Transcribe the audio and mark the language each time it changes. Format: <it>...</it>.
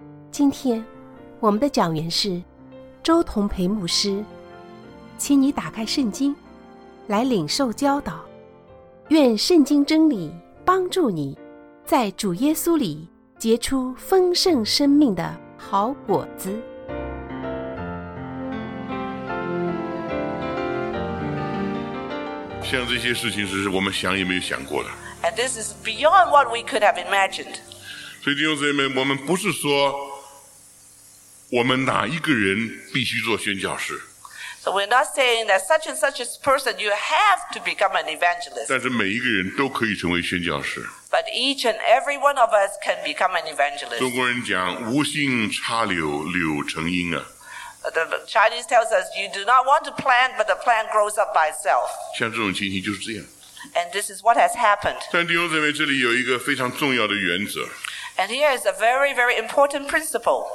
<zh>今天我们的讲员是周同培牧师，请你打开圣经来领受教导，愿圣经真理帮助你在主耶稣里结出丰盛生命的好果子。像这些事情是我们想也没有想过的。</zh> <en>And this is beyond what we could have imagined.</en> <zh>所以弟兄姊妹，我们不是说我们哪一个人必须做宣教士。</zh> <en>So we're not saying that such and such a person you have to become an evangelist.</en> <zh>但是每一个人都可以成为宣教士。</zh> <en>But each and every one of us can become an evangelist.</en> <zh>中国人讲无心插柳，柳成荫啊。</zh> <en>The Chinese tells us you do not want to plant, but the plant grows up by itself.</en> <zh>像这种情形就是这样。</zh> <en>And this is what has happened.</en> <zh>但弟兄姊妹，这里有一个非常重要的原则。</zh> <en>And here is a very, very important principle.</en>